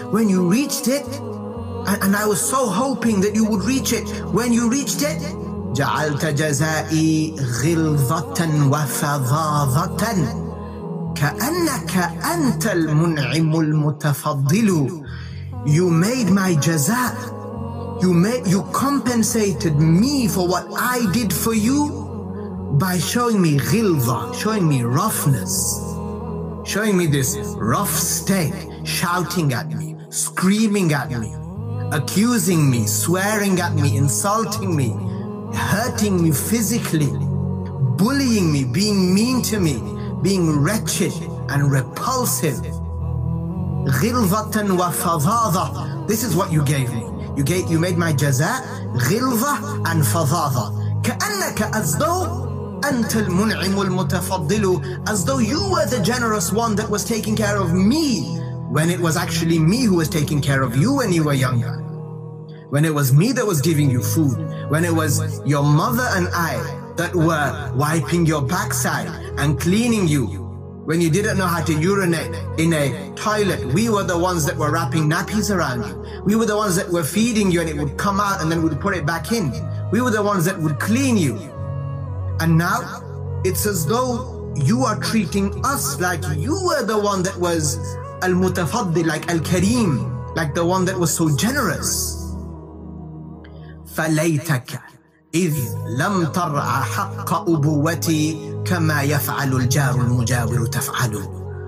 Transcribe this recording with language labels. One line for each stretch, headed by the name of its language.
English: When you reached it, and I was so hoping that you would reach it. When you reached it,
Arabic: جعلت جزائي غلظة وفظاظة كأنك أنت المنعم المتفضل.
English: You made my jaza. You compensated me for what I did for you by showing me غلظة, showing me roughness, showing me this rough state, shouting at me, screaming at me, accusing me, swearing at me, insulting me, hurting me physically, bullying me, being mean to me, being wretched and repulsive.
Arabic: غِلْظَةً وَفَظَاظَةً.
English: This is what you gave me. You made my jaza غِلْظَةً and فَظَاظَةً.
Arabic: كَأَنَّكَ
English: as though
Arabic: أَنْتَ الْمُنْعِمُ الْمُتَفَضِّلُ.
English: As though you were the generous one that was taking care of me, when it was actually me who was taking care of you when you were younger. When it was me that was giving you food, when it was your mother and I that were wiping your backside and cleaning you, when you didn't know how to urinate in a toilet, we were the ones that were wrapping nappies around you. We were the ones that were feeding you, and it would come out and then we'd put it back in. We were the ones that would clean you. And now it's as though you are treating us like you were the one that was al-mutafaddil, like al-kareem, like the one that was so generous.
Arabic: فليتك إذ لم ترعى حق أبوتي كما يفعل الجار المجاور تفعل.